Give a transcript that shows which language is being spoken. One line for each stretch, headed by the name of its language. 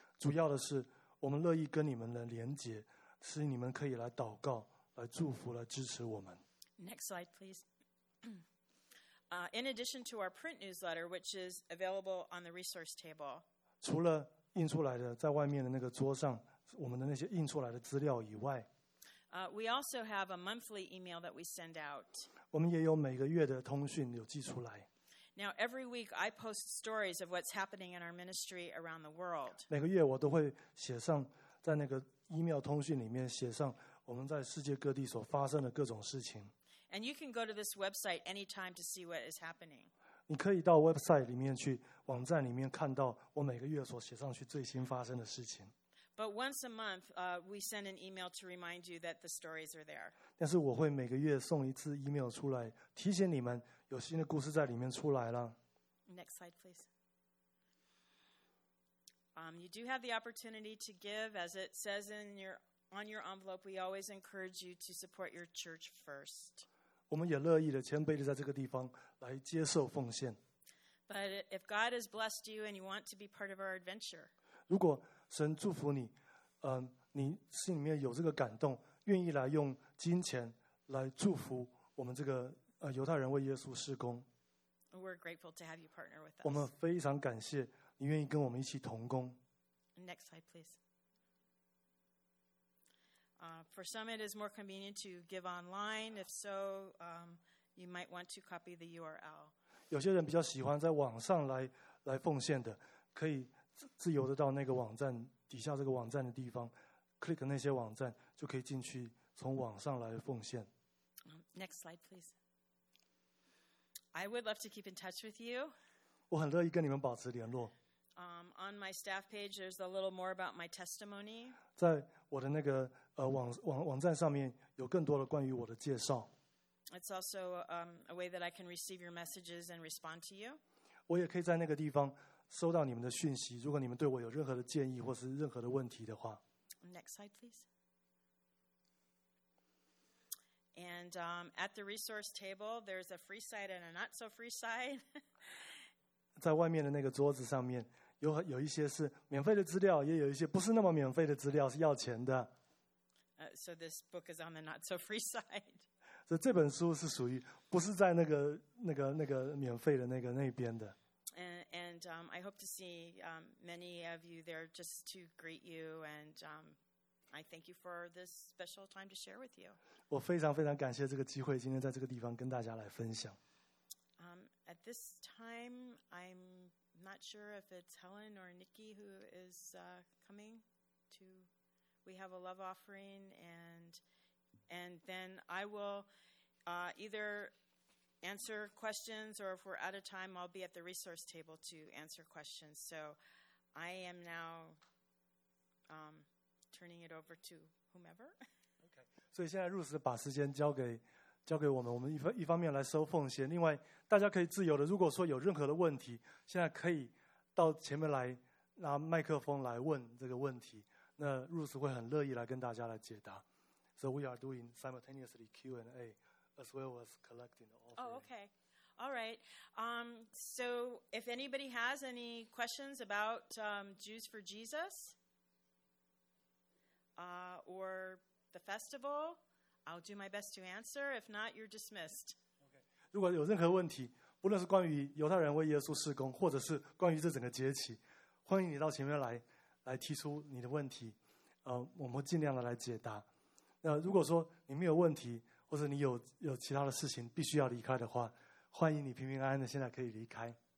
Chinese: 主要的是，我们乐意跟你们的连结。是你们可以来祷告、来祝福、来支持我们。
English: Next slide, please. In addition to our print newsletter, which is available on the resource table,
Chinese: 除了印出来的在外面的那个桌上，我们的那些印出来的资料以外，
English: we also have a monthly email that we send out.
Chinese: 我们也有每个月的通讯有寄出来。
English: Now every week I post stories of what's happening in our ministry around the world.
Chinese: 每个月我都会写上在那个。 email 通讯里面写上我们在世界各地所发生的各种事情。
English: And you can go to this website anytime to see what is happening.
Chinese: 你可以到 website 里面去，网站里面看到我每个月所写上去最新发生的事情。
English: But once a month, we send an email to remind you that the stories are there.
Chinese: 但是我会每个月送一次 email 出来，提醒你们有新的故事在里面出来了。
English: Next slide, please. You do have the opportunity to give, as it says on your envelope. We always encourage you to support your church first.
Chinese: 我们也乐意的、谦卑的在这个地方来接受奉献。
English: But if God has blessed you and you want to be part of our adventure,
Chinese: 如果神祝福你，你心里面有这个感动，愿意来用金钱来祝福我们这个犹太人为耶稣事工。
English: We're grateful to have you partner with us.
Chinese: 我们非常感谢。你愿意跟我们一起同工。
English: Next slide, please. For some, it is more convenient to give online. If so, you might want to copy the URL.
Chinese: 有些人比较喜欢在网上来奉献的，可以自由的到那个网站底下这个网站的地方 ，click 那些网站就可以进去从网上来奉献。
English: Next slide, please. I would love to keep in touch with you.
Chinese: 我很乐意跟你们保持联络。
English: On my staff page, there's a little more about my testimony.
Chinese: 在我的那个网站上面有更多的关于我的介绍。
English: It's also a way that I can receive your messages and respond to you.
Chinese: 我也可以在那个地方收到你们的讯息。如果你们对我有任何的建议或是任何的问题的话。
English: Next slide, please. And at the resource table, there's a free side and a not so free side.
Chinese: 在外面的那个桌子上面，有一些是免费的资料，也有一些不是那么免费的资料，是要钱的。
English: So this book is on the not so free side.
Chinese: 所以这本书是属于不是在那个免费的那边的。
English: And I hope to see many of you there just to greet you and I thank you for this special time to share with you.
Chinese: 我非常非常感谢这个机会，今天在这个地方跟大家来分享。
English: At this time, I'm not sure if it's Helen or Nikki who is coming to. We have a love offering, and then I will either answer questions, or if we're out of time, I'll be at the resource table to answer questions. So I am now turning it over to whomever. Okay. So now
Chinese: Ruth 把时间交给我们，我们一方面来收奉献，另外大家可以自由的，如果说有任何的问题，现在可以到前面来拿麦克风来问这个问题，那 Ruth 会很乐意来跟大家来解答。
English: So we are doing simultaneously Q&A as well as collecting the offering. Oh, okay. All right. So if anybody has any questions about Jews for Jesus or the festival,I'll do my best to answer. If not, you're dismissed. Okay.
Chinese: 如果有任何问题，不论是关于犹太人为耶稣事工，或者是关于这整个节期，欢迎你到前面来提出你的问题。我们会尽量的来解答。那如果说你没有问题，或者你有其他的事情必须要离开的话，欢迎你平平安安的现在可以离开。